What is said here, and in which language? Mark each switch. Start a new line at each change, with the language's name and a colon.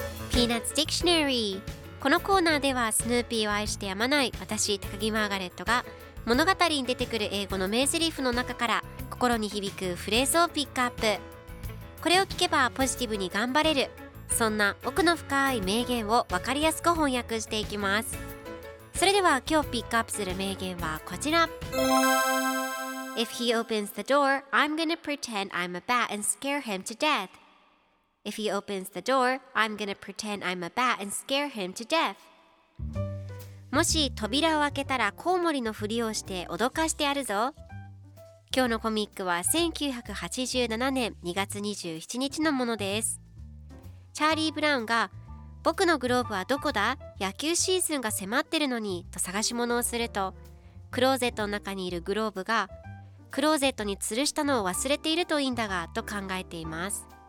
Japanese: ピーナッツ・ディクショナリー。このコーナーではスヌーピーを愛してやまない私、高木マーガレットが物語に出てくる英語の名ゼリフの中から心に響くフレーズをピックアップ。これを聞けばポジティブに頑張れる、そんな奥の深い名言を分かりやすく翻訳していきます。それでは今日ピックアップする名言はこちら。
English: If he opens the door, I'm gonna pretend I'm a bat and scare him to death. If he opens the door, I'm gonna pretend I'm a bat and scare him to death.
Japanese: もし扉を開けたらコウモリのふりをして脅かしてやるぞ。今日のコミックは1987年2月27日のものです。チャーリー・ブラウンが僕のグローブはどこだ？野球シーズンが迫ってるのにと探し物をすると、クローゼットの中にいるグローブがクローゼットに吊るしたのを忘れているといいんだがと考えています。